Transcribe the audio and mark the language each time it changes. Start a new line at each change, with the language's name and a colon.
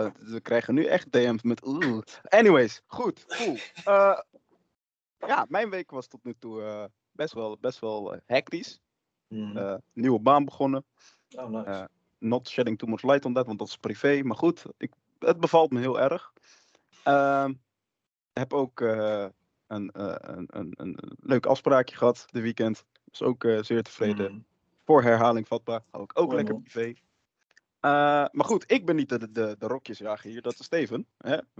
Dutch: We krijgen nu echt DM's met... Anyways, goed. Ja, mijn week was tot nu toe best wel hectisch. Mm-hmm. Nieuwe baan begonnen.
English: Oh, nice. Not shedding too much light on that,
Dutch: want dat is privé. Maar goed, het bevalt me heel erg. Heb ook een leuk afspraakje gehad de weekend. Was ook zeer tevreden. Mm-hmm. Voor herhaling vatbaar. Ook lekker man. Privé. Maar goed, ik ben niet de rokjesjager hier. Dat is Steven. Hè?